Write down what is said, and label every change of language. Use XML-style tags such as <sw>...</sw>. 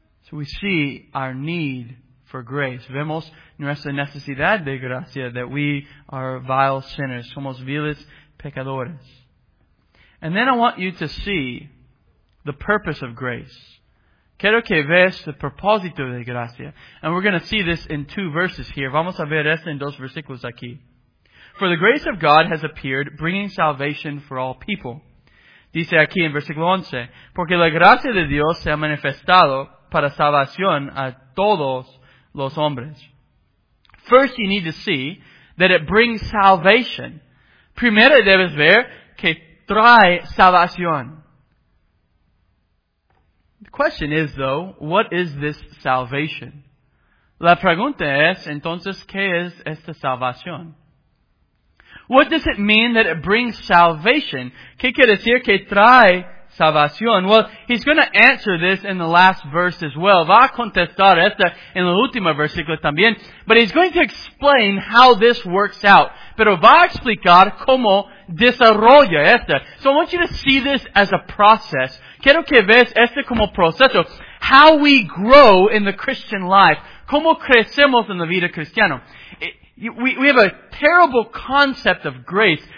<en>So we see our need for grace.</en> <es>Vemos nuestra necesidad de gracia,</es> <en>that we are vile sinners.</en> <es>Somos viles pecadores.</es> <en>And then I want you to see the purpose of grace.</en> <es>Quiero que veas el propósito de gracia.</es> <en>And we're going to see this in two verses here.</en> <es>Vamos a ver esto en dos versículos aquí.</es> <en>For the grace of God has appeared, bringing salvation for all people.</en> <es>Dice aquí en versículo 11. Porque la gracia de Dios se ha manifestado para salvación a todos los hombres.</es> <en>First you need to see that it brings salvation.</en> <es>Primero debes ver que trae salvación.</es> <en>The question is, though, what is this salvation?</en> <es>La pregunta es, entonces, ¿qué es esta salvación?</es> <en>What does it mean that it brings salvation?</en> <es>¿Qué quiere decir que trae salvación?</es> <en>Well, he's going to answer this in the last verse as well.</en> <es>Va a contestar esta en el último versículo también.</es> <en>But he's going to explain how this works out.</en> <es>Pero va a explicar cómo desarrolla esta.</es> <en>So I want you to see this as a process.</en> <es>Quiero que veas este como proceso.</es> <en>How we grow in the Christian life.</en> <es>Cómo crecemos en la vida cristiana.</es> <en>We have a terrible concept of grace.</en>